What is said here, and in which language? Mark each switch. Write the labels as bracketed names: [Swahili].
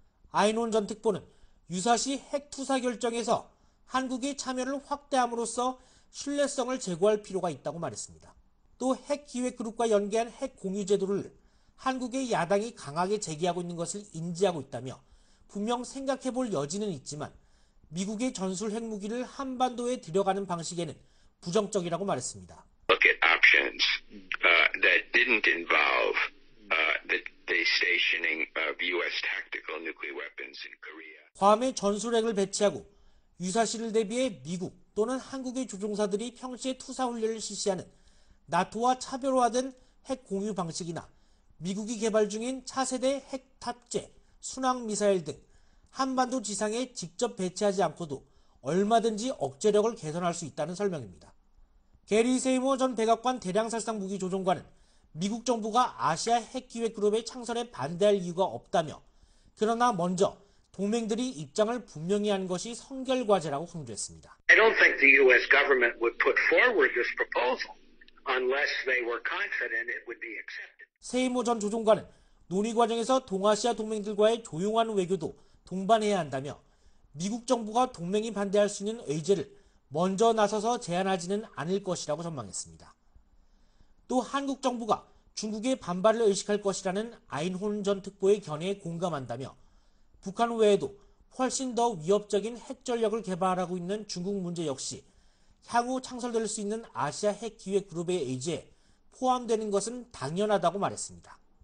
[Korean] 아인혼 전 특보는 유사시 핵 투사 결정에서 한국의 참여를 확대함으로써 신뢰성을 제고할 필요가 있다고 말했습니다. 또 핵 기획 그룹과 연계한 핵 공유 제도를 한국의 야당이 강하게 제기하고 있는 것을 인지하고 있다며 분명 생각해 볼 여지는 있지만 미국의 전술 핵무기를 한반도에 들여가는 방식에는 부정적이라고 말했습니다. [English] Look at options that didn't involve the stationing of US tactical nuclear weapons in Korea. [Korean] 괌의 전술핵을 배치하고 유사시를 대비해 미국 또는 한국의 조종사들이 평시에 투사 훈련을 실시하는 나토와 차별화된 핵 공유 방식이나 미국이 개발 중인 차세대 핵 탑재, 순항 미사일 등 한반도 지상에 직접 배치하지 않고도 얼마든지 억제력을 개선할 수 있다는 설명입니다. 게리 세이머 전 백악관 대량살상 무기 조종관은 미국 정부가 아시아 핵기획 그룹의 창설에 반대할 이유가 없다며 그러나 먼저 동맹들이 입장을 분명히 한 것이 선결 과제라고 강조했습니다. [English] I don't think the US government would put forward this proposal unless they were confident it would be accepted. [Korean] 세이머 전 조종관은 논의 과정에서 동아시아 동맹들과의 조용한 외교도 동반해야 한다며 미국 정부가 동맹이 반대할 수 있는 의제를 먼저 나서서 제안하지는 않을 것이라고 전망했습니다. 또 한국 정부가 중국의 반발을 의식할 것이라는 아인혼 전 특보의 견해에 공감한다며 북한 외에도 훨씬 더 위협적인 핵전력을 개발하고 있는 중국 문제 역시 향후 창설될 수 있는 아시아 핵기획 그룹의 의제에 포함되는 것은 당연하다고 말했습니다.